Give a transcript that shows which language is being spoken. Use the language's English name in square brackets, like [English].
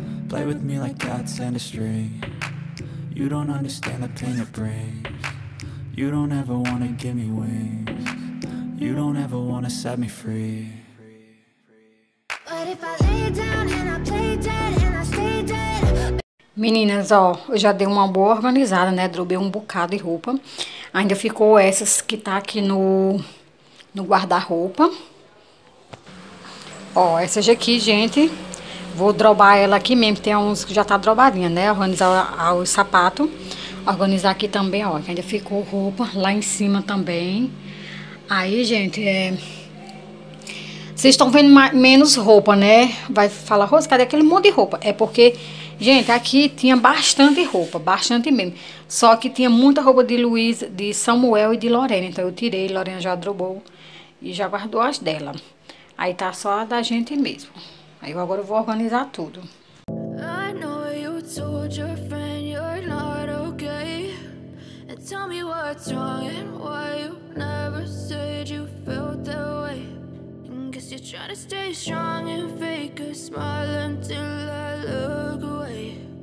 [English] Play with me like cats and a string. You don't understand the pain it brings. You don't ever wanna give me wings. You don't ever wanna set me free. But if I lay down and I play dead and I stay dead. [Portuguese] Meninas, ó, eu já dei uma boa organizada, né? Drobei um bocado de roupa. Ainda ficou essas que tá aqui no guarda-roupa. Ó, essa aqui, gente, vou drobar ela aqui mesmo. Tem uns que já tá drobadinha, né? Organizar o sapato. Organizar aqui também, ó, que ainda ficou roupa lá em cima também. Aí, gente, vocês estão vendo menos roupa, né? Vai falar, Rosa, cadê aquele monte de roupa? É porque, gente, aqui tinha bastante roupa, bastante mesmo. Só que tinha muita roupa de Luiz, de Samuel e de Lorena. Então, eu tirei, Lorena já drobou e já guardou as dela. Aí tá só a da gente mesmo. Aí eu agora vou organizar tudo. [English] I know you told your friend you're not okay. what's wrong and why you never said you felt that way. Guess you're trying to stay strong and fake a smile until I look away.